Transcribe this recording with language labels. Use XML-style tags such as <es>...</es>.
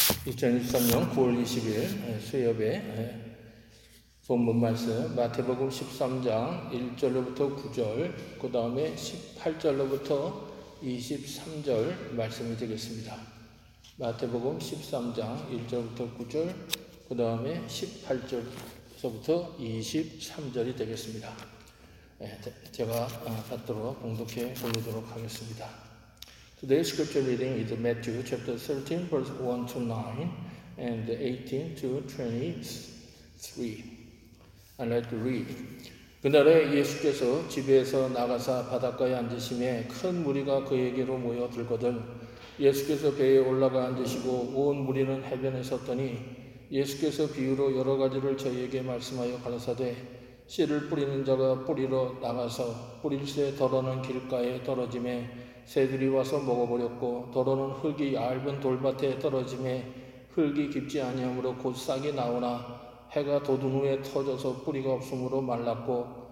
<ko>2023년 9월 20일 수요일에 본문 말씀 마태복음 13장 1절로부터 9절 그 다음에 18절로부터 23절 말씀을 드리겠습니다. 마태복음 13장 1절부터 9절 그 다음에 18절부터 23절이 되겠습니다. 제가 받도록 봉독해 보도록 하겠습니다.</ko> <en>Today's scripture reading is Matthew chapter 13, verse 1 to 9, and 18 to 23. And let's read.</en> <ko>그날에 예수께서 집에서 나가사 바닷가에 앉으심에 큰 무리가 그에게로 모여들거든. 예수께서 배에 올라가 앉으시고 온 무리는 해변에 섰더니 예수께서 비유로 여러 가지를 저희에게 말씀하여 가라사대 씨를 뿌리는 자가 뿌리러 나가서 뿌릴새 덜어는 길가에 떨어짐에 새들이 와서 먹어버렸고 덜어는 흙이 얇은 돌밭에 떨어짐에 흙이 깊지 아니하므로 곧 싹이 나오나 해가 돋은 후에 터져서 뿌리가 없으므로 말랐고</ko>